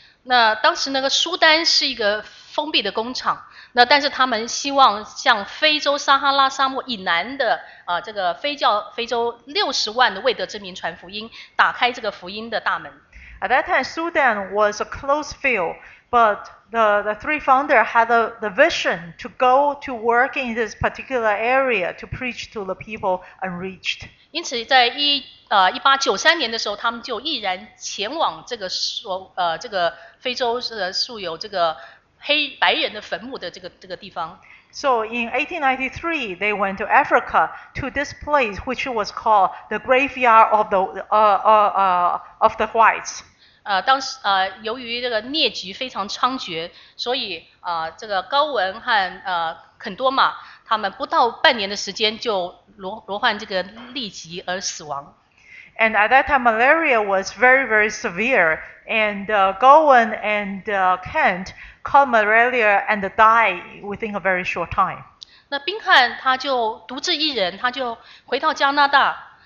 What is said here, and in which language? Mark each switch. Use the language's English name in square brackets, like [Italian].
[Chinese] 那当时那个苏丹是一个封闭的工厂。那但是他们希望向非洲撒哈拉沙漠以南的这个非洲60万的未得之民传福音，打开这个福音的大门。 [English] At that time, Sudan was a close field, but the three founders had the vision to go to work in this particular area to preach to the people unreached. [Chinese] 因此在1893年的时候，他们就毅然前往这个非洲素有这个黑白人的坟墓的这个地方。 [English] So in 1893, they went to Africa to this place, which was called the graveyard of the whites. [Chinese] 当时由于这个疟疾非常猖獗，所以这个高文和肯多玛他们不到半年的时间就罹患这个痢疾而死亡。 [English] And at that time, malaria was very, very severe. And Gowen and Kent caught malaria and died within a very short time. [Chinese] 那宾汉他就独自一人，他就回到加拿大。